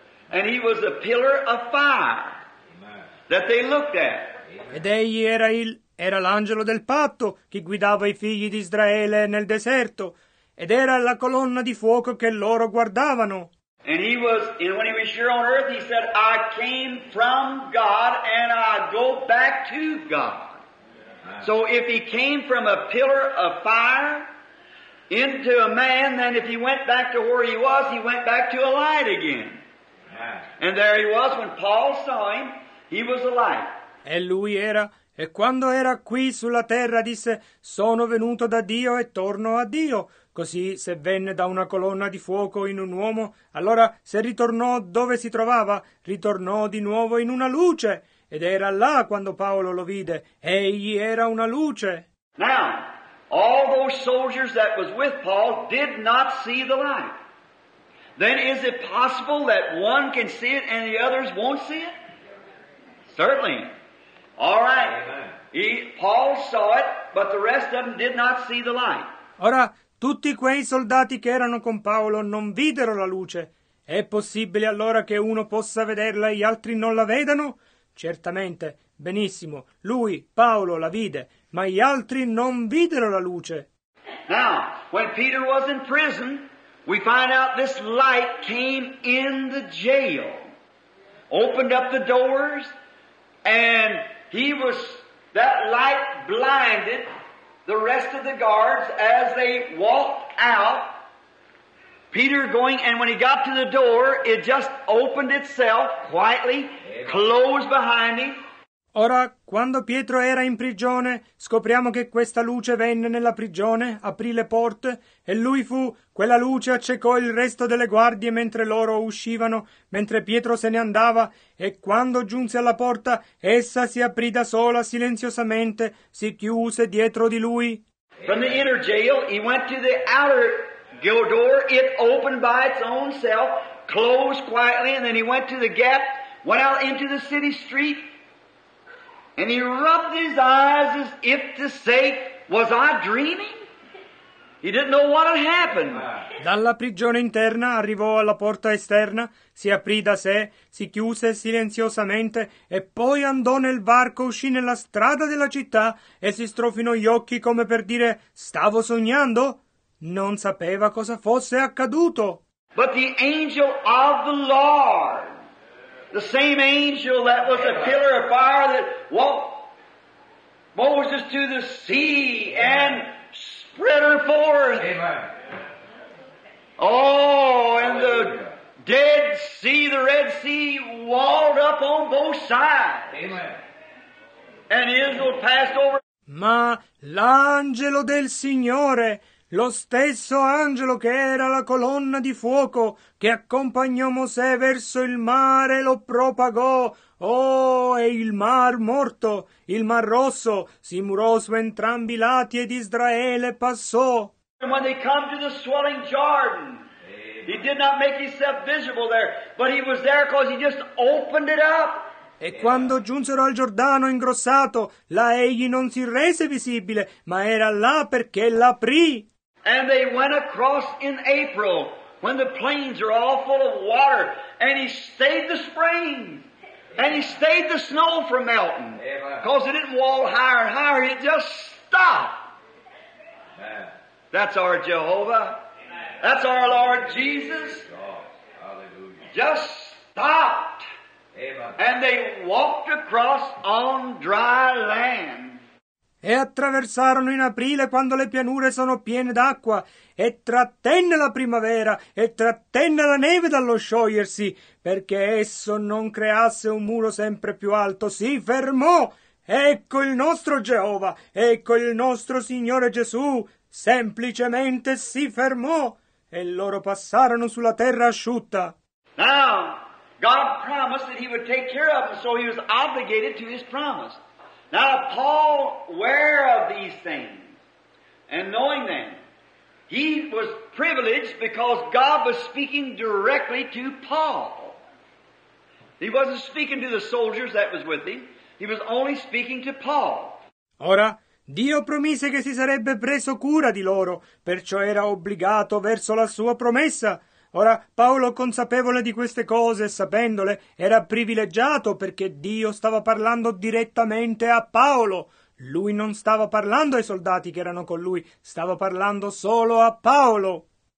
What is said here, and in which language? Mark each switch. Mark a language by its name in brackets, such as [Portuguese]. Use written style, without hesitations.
[English] And he was a pillar of fire that they looked at. [Italian] Ed egli era l'angelo del patto che guidava i figli di Israele nel deserto. Ed era la colonna di fuoco che loro guardavano. [English] And he was, and when he was here on earth, he said, I came from God and I go back to God. So if he came from a pillar of fire into a man, then if he went back to where he went back to a light again. And there he was when Paul saw him, he was a light. [Italian] E lui era, e quando era qui sulla terra disse, sono venuto da Dio e torno a Dio. Così se venne da una colonna di fuoco in un uomo, allora se ritornò dove si trovava, ritornò di nuovo in una luce. Ed era là quando Paolo lo vide. Egli era una luce. [English] Now, all those soldiers that was with Paul did not see the light. Then is it possible that one can see it and the others won't see it? Certainly. All right. Paul saw it, but the rest of them did not see the light. [Italian] Ora, tutti quei soldati che erano con Paolo non videro la luce. È possibile allora che uno possa vederla e gli altri non la vedano? Certamente, benissimo. Lui, Paolo, la vide, ma gli altri non videro la luce. [English] Now, when Peter was in prison, we find out this light came in the jail, opened up the doors, and that light blinded the rest of the guards as they walked out. Peter going, and when he got to the door, it just opened itself quietly, closed behind him. [Italian] Ora, quando Pietro era in prigione, scopriamo che questa luce venne nella prigione, aprì le porte, e lui fu, quella luce accecò il resto delle guardie mentre loro uscivano, mentre Pietro se ne andava, e quando giunse alla porta, essa si aprì da sola, silenziosamente, si chiuse dietro di lui. [English] From the inner jail, he went to the outer jail door, it opened by its own self, closed quietly, and then he went to the gap, went out into the city street, and he rubbed his eyes as if to say, was I dreaming? He didn't know what had happened. [Italian] Dalla prigione interna arrivò alla porta esterna, si aprì da sé, si chiuse silenziosamente e poi andò nel varco, uscì nella strada della città e si strofinò gli occhi come per dire, stavo sognando? Non sapeva cosa fosse accaduto. [English] But the angel of the Lord, the same angel that was a pillar of fire that walked Moses to the sea and spread her forth. Amen. Oh, and the Dead Sea, the Red Sea, walled up on both sides. Amen. And Israel passed over. [Italian] Ma l'angelo del Signore, lo stesso angelo che era la colonna di fuoco che accompagnò Mosè verso il mare lo propagò. Oh, e il mar morto, il mar rosso, si murò su entrambi i lati ed Israele passò. [English] And when they come to the swelling Jordan, he did not make himself visible there, but he was there because he just opened it up. [Italian] E quando giunsero al Giordano ingrossato, là egli non si rese visibile, ma era là perché l'aprì. [English] And they went across in April, when the plains are all full of water, and he stayed the spring, and he stayed the snow from melting, because it didn't wall higher and higher, it just stopped. That's our Jehovah. That's our Lord Jesus. Just stopped. And they walked across on dry land. [Italian] E attraversarono in aprile quando le pianure sono piene d'acqua, e trattenne la primavera, e trattenne la neve dallo sciogliersi, perché esso non creasse un muro sempre più alto, si fermò. Ecco il nostro Geova, ecco il nostro Signore Gesù, semplicemente si fermò, e loro passarono sulla terra asciutta. [English] Now, God promised that he would take care of them, so he was obligated to his promise. Now, Paul, aware of these things and knowing them, he was privileged because God was speaking directly to Paul. He wasn't speaking to the soldiers that was with him. He was only speaking to Paul. [Italian] Ora, Dio promise che si sarebbe preso cura di loro, perciò era obbligato verso la sua promessa. Ora, Paolo, consapevole di queste cose, sapendole, era privilegiato perché Dio stava parlando direttamente a Paolo. Lui non stava parlando ai soldati che erano con lui, stava parlando solo a Paolo.